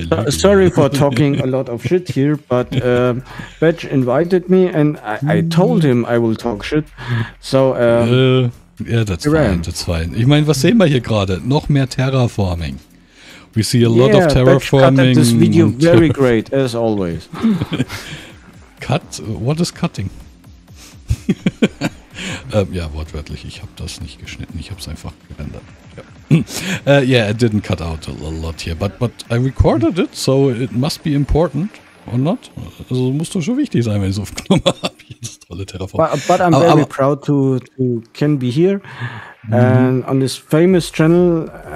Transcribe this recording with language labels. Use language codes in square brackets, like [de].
[en] Sorry for talking a lot of shit here, but Batch invited me and I told him I will talk shit. So, That's fine. [de] Ich meine, was sehen wir hier gerade? Noch mehr Terraforming. [en] We see a lot of terraforming. Batch cut this video very great, as always. Cut? What is cutting? [de] wortwörtlich, ich habe das nicht geschnitten, ich habe es einfach gerendert. [en] I didn't cut out a lot here, but I recorded it, so it must be important or not. [de] Also muss doch schon wichtig sein, wenn ich es aufgenommen habe, dieses tolle Terraform. [en] But I'm very proud to can be here and on this famous channel.